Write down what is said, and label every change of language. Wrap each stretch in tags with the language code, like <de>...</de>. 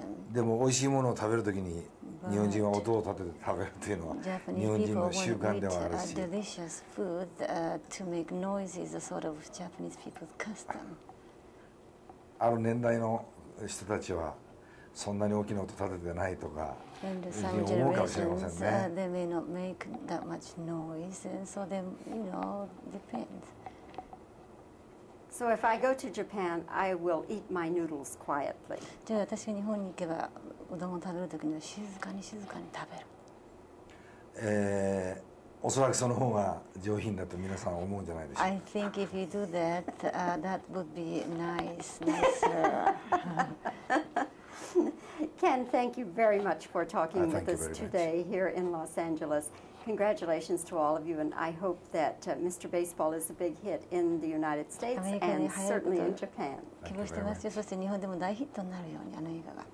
<ja>でも美味しいものを食べるときに日本人は音を立てて食べるというのは日本人の習慣ではあるし、</ja> <en>delicious food to make noise is a sort of Japanese people's custom。</en> <ja>ある年代の人たちはそんなに大きな音立ててないとか、思うかもしれませんね。</ja> <en>They may not make that much noise, and so they, you know, depends. So if I go to Japan, I will eat my noodles quietly.</en> <ja>じゃあ私が日本に行けばうどんを食べるときには静かに静かに食べる。おそらくその方が上品だと皆さん思うんじゃないでしょうか。</ja> <en>I think if you do that, that would be nice, nicer. Ken, thank you very much for talking with us today here in Los Angeles. Congratulations to all of you, and I hope that Mr. Baseball is a big hit in the United States and certainly in Japan.</en> <ja>希望してますよ。そして日本でも大ヒットになるように、あの映画が。</ja>